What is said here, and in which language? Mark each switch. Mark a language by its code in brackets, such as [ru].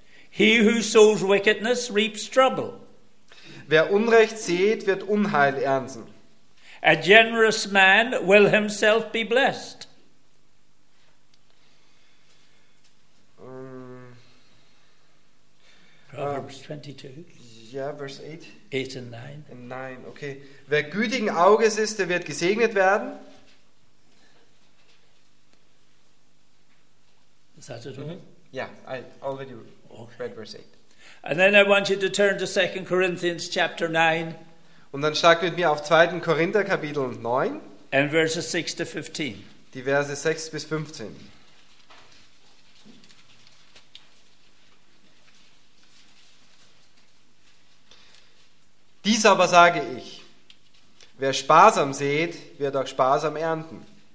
[en] He who sows wickedness reaps trouble. [de] Wer Unrecht sät, wird Unheil ernten. [en] A generous man will himself be blessed. Proverbs 22. [de] Ja, Vers 8. [en] 8 and 9. And 9, okay. [de] Wer gütigen Auges ist, der wird gesegnet werden. [en] Is that it all? Mm-hmm. Yeah, I already read verse 8. And then I want you to turn to 2 Corinthians chapter 9. [de] Und dann schlagt mit mir auf 2. Korinther Kapitel 9. [en] And verses 6 to 15. [de] Die Verse 6 bis 15. Dies aber sage ich, wer sparsam sät, wird auch sparsam ernten.